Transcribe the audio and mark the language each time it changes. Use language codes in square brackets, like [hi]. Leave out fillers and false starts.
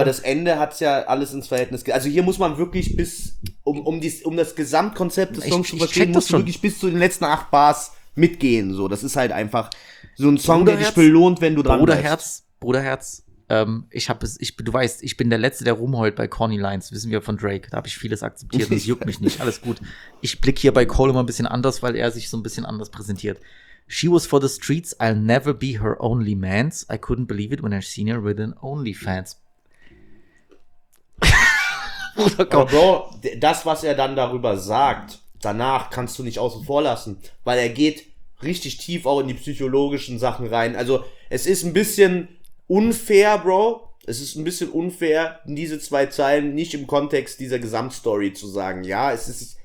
[de] Aber das Ende hat es ja alles ins Verhältnis. Also hier muss man wirklich bis, um das Gesamtkonzept des Songs zu verstehen, muss man wirklich bis zu den letzten 8 Bars mitgehen. So, das ist halt einfach so ein Song, der dich belohnt, wenn du dran Bruderherz, bist. Bruderherz, du weißt, ich bin der Letzte, der rumheult bei Corny Lines, wissen wir von Drake, da habe ich vieles akzeptiert, das juckt mich nicht, alles gut. Ich blicke hier bei Cole immer ein bisschen anders, weil er sich so ein bisschen anders präsentiert. [en] She was for the streets, I'll never be her only mans, I couldn't believe it when I seen her with an only fans. [de] Bruder, komm. Aber Bro, das, was er dann darüber sagt, danach kannst du nicht außen vor lassen, weil er geht richtig tief auch in die psychologischen Sachen rein, also es ist ein bisschen unfair, Bro. Es ist ein bisschen unfair, diese zwei Zeilen nicht im Kontext dieser Gesamtstory zu sagen. Ja, es ist